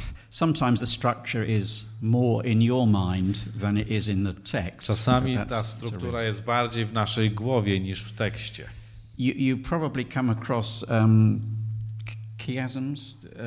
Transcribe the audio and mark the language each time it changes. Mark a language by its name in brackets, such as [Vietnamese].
[English] Sometimes the structure is more in your mind than it is in the text. [Polish] Czasami ta struktura jest bardziej w naszej głowie niż w tekście. [English] You probably come across chiasms.